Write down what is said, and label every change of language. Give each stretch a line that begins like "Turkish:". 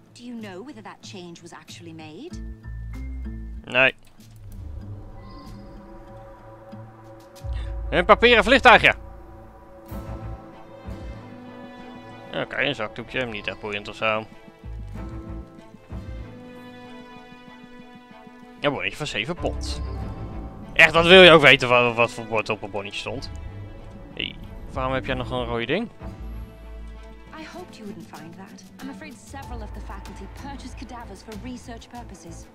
English: Do you know whether that change was actually made?
Dutch: Nee. Een papieren vliegtuigje. Oké, een zakdoekje. Niet echt boeiend of zo. Ja, bonnetje van 7 pond. Echt, dat wil je ook weten wat voor bord op een bonnetje stond. Hey, waarom heb jij nog een rode ding?
English: I hoped you wouldn't find that. I'm afraid several of the faculty purchased cadavers for research purposes.